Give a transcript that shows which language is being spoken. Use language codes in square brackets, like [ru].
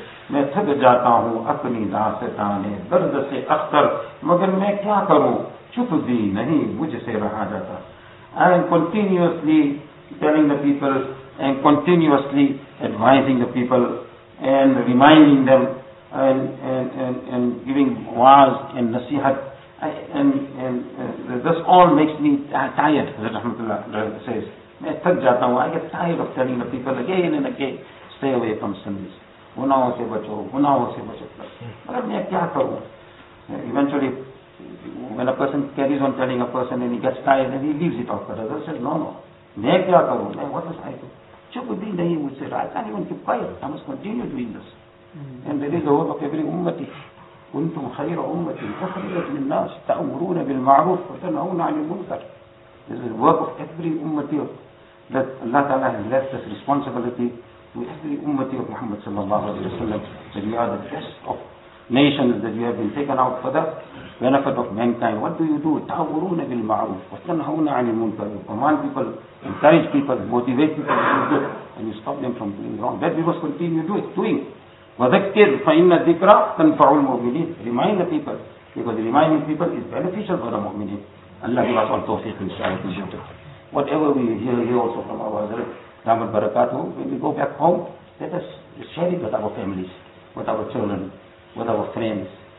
[ur] میں تھک جاتا ہوں اپنی داستان درد سے اختر, مگر میں کیا کروں چپ دی نہیں مجھ سے رہا جاتا. [en] I am continuously advising the people and reminding them and giving waaz and nasihat. And this all makes me tired, Rahmatullah says. I get tired of telling the people again and again, stay away from sins. [ur] Gunahon se bacho, gunahon se bacho. But main kya karu? [en] Eventually, when a person carries on telling a person and he gets tired and he leaves it off, the other says, no, [ur] main kya karu? [en] What must I do? [ur] Chup bhi nahi mujhse raha. [en] I can't even keep quiet. I must continue doing this. And there is a hope of every ummati. [ar] كنتم خير أمة أخرجت للناس تأمرون بالمعروف وتنهون عن المنكر. [en] This is the work of every ummati that Allah Ta'ala has left this responsibility to every ummati of Muhammad sallallahu alayhi wa sallam, that you are the best of nations, that you have been taken out for the benefit of mankind. What do you do? [ar] تأمرون بالمعروف وتنهون عن المنكر. [en] You command people, encourage people, motivate people to do it, and you stop them from doing wrong. That we must continue doing. [ar] وَذَكِّرْ فَإِنَّ الذِّكْرَ تَنْفَعُ الْمُؤْمِنِينَ. [en] Remind the people, because reminding people is beneficial for the mu'mineen. Allah give us all tawfiq and inshallah. Whatever we hear also from our Hazrat Damat Barakatuh, when we go back home, let us share it with our families, with our children, with our friends.